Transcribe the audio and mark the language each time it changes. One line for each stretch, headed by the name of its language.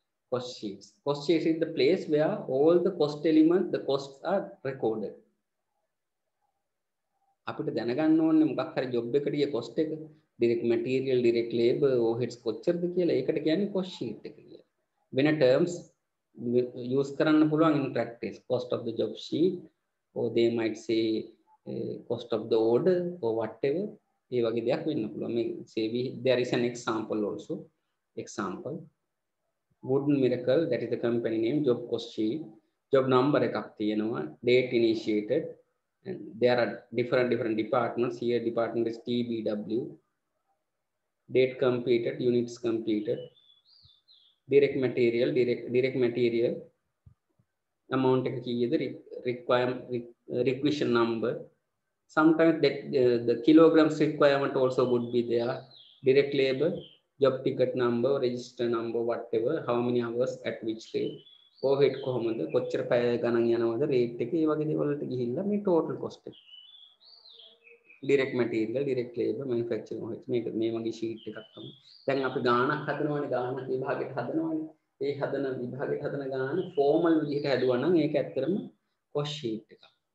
English: Cost sheets is the place where all the cost elements, the costs are recorded.
Sinhala: අපිට දැනගන්න ඕනේ මොකක් හරි job එකට ගිය cost එක, direct material, direct labor, overheads කොච්චරද කියලා, ඒකට කියන්නේ cost sheet එක කියලා. වෙන terms use කරන්න පුළුවන්
English: in practice. Cost of the job sheet, or they might say cost of the order, or whatever.
Sinhala: ඒ වගේ දෙයක් වෙන්න පුළුවන්. මේ
English: say we, there is an example also. Example. Wooden Miracle, that is the company name, job cost sheet, job number
Sinhala: එකක් තියෙනවා,
English: date initiated. And there are different departments here. Department is TBW. Date completed, units completed, direct material, amount
Sinhala: එක කියේද,
English: requisition number. Sometimes that the kilograms requirement also would be there. Direct labor, job ticket number, register number, whatever, how many hours, at which rate.
Sinhala: Overhead කොහොමද කොච්චර පය ගණන් යනවද rate එක, ඒ වගේ දේවල් වලට ගිහිල්ලා මේ ටෝටල් කෝස්ට් එක, direct material, direct labour, manufacturing overhead මේක, මේ වගේ ෂීට් එකක් තමයි. දැන් අපි ගාණක් හදනවනේ, ගාණ විභාගෙට හදනවනේ. ඒ හදන විභාගෙට හදන ගාණ ෆෝමල් විදිහට හදුවා නම් ඒක ඇත්තරම කෝස් ෂීට් එකක්.